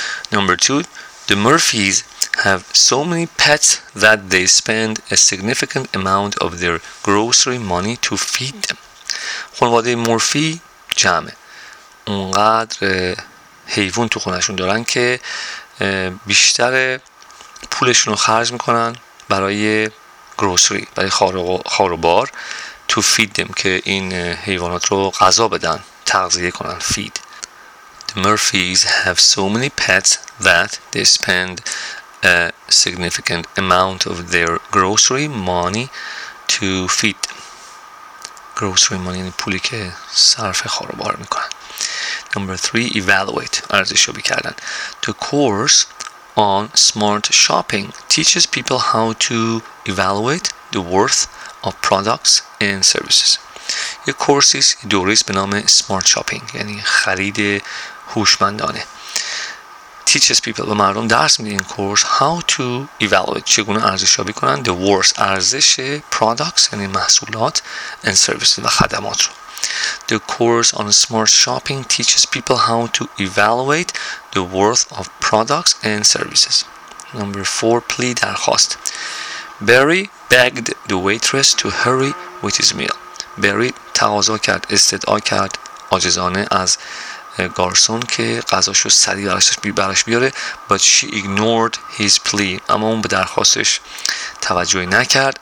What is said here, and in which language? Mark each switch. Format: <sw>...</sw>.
<en>Number two, the Murphys have so many pets that they spend a significant amount of their grocery money to feed them.</en> <fa>خانواده مورفی جمعه. اونقدر حیوان تو خونهشون دارن که بیشتر پولشون رو خرج میکنن برای گروسری، برای خاروبار،</fa> <en>to feed them،</en> <fa>که این حیوانات رو غذا بدن، تغذیه کنن، feed.</fa> <en>The Murphys have so many pets that they spend a significant amount of their grocery money to feed. Grocery money</en> <fa>یعنی پولی که صرف خاروبار میکنن.</fa> <en>Number three, evaluate.</en> <fa>ارزشیابی کردن.</fa> <en>The course on smart shopping teaches people how to evaluate the worth of products and services.</en> <fa>یه کورسی است، دوره است به نام</fa> <en>smart shopping،</en> <fa>یعنی خرید هوشمندانه.</fa> <en>Teaches people،</en> <fa>به مردم درس میده این کورس،</fa> <en>how to evaluate،</en> <fa>چگونه ارزشیابی کنن،</fa> <en>the worth،</en> <fa>ارزش products، یعنی محصولات،</fa> <en>and services،</en> <fa>و خدمات رو.</fa> <en>The course on smart shopping teaches people how to evaluate the worth of products and services. Number four, plea,</en> <fa>درخواست.</fa> <en>Barry begged the waitress to hurry with his meal.</en> <fa>Barry تقاضا کرد، استدعا کرد عاجزانه از گارسون که غذاشو سریع براش بیاره.</fa> <en>But she ignored his plea.</en> <fa>اما اون به درخواستش توجه نکرد.</fa>